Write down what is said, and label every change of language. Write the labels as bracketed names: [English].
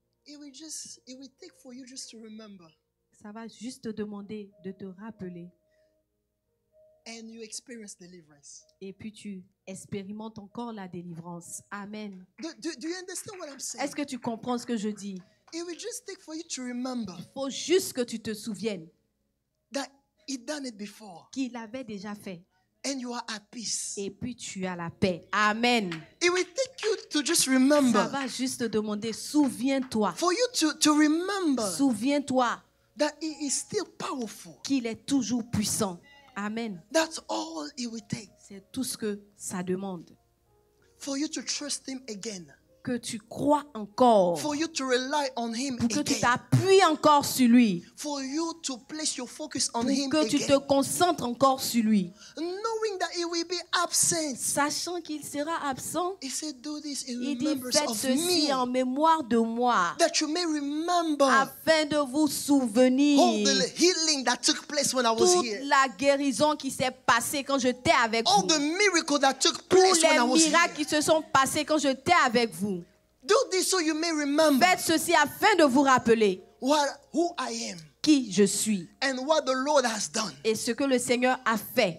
[English] It will take for you just to remember. [French] Ça va juste te demander de te rappeler. [English] And you experience deliverance. [French] Et puis tu expérimentes encore la délivrance. Amen. [English] Do you understand what I'm saying? [French] Est-ce que tu comprends ce que je dis? [English] It will just take for you to remember. [French] Il faut juste que tu te souviennes. [English] That he done it before. [French] Qu'il avait déjà fait. [English] And you are at peace. [French] Et puis tu as la paix. Amen. [English] It will take you to just remember. [French] Ça va juste te demander, souviens-toi. [English] For you to remember. [French] Souviens-toi. [English] That he is still powerful. [French] Qu'il est toujours puissant. Amen. [English] That's all it will take. [French] C'est tout ce que ça demande. [English] For you to trust him again. [French] Que tu crois encore. [English] For you to rely on him [French] pour que [English] again. [French] Tu t'appuies encore sur lui. [English] For you to place your focus on [French] pour [English] him [French] que [English] again. [French] Tu te concentres encore sur lui. [English] Knowing that he will be absent. [French] Sachant qu'il sera absent. [English] He said, do this in [French] il dit, faites ceci [English] me, [French] en mémoire de moi. [English] That you may remember [French] afin de vous souvenir. [English] All the healing that took place when I was [French] toute [English] here. [French] La guérison qui s'est passée quand j'étais avec [English] all All the miracles that took place [French] tous [English] when [French] les [English] I was [French] miracles [English] here. [French] Qui se sont passés quand j'étais avec vous. [English] Do this so you may remember. [French] Faites ceci afin de vous rappeler [English] who I am. [French] Qui je suis. [English] And what the Lord has done. [French] Et ce que le Seigneur a fait.